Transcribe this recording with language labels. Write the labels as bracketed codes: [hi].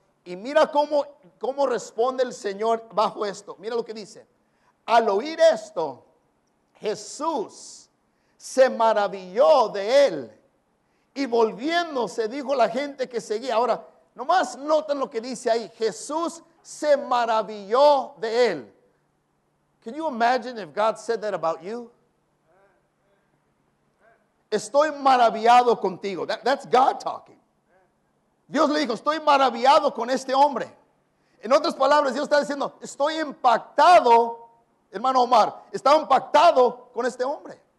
[es] Y mira cómo responde el Señor bajo esto. Mira lo que dice. Al oír esto, Jesús se maravilló de él. Y volviéndose dijo la gente que seguía. Ahora, nomás notan lo que dice ahí. Jesús se maravilló de él. [en] Can you imagine if God said that about you? [es] Estoy maravillado contigo. [en] That's God talking. [es] Dios le dijo, estoy maravillado con este hombre. En otras palabras, Dios está diciendo, estoy impactado, hermano Omar, estaba impactado con este hombre.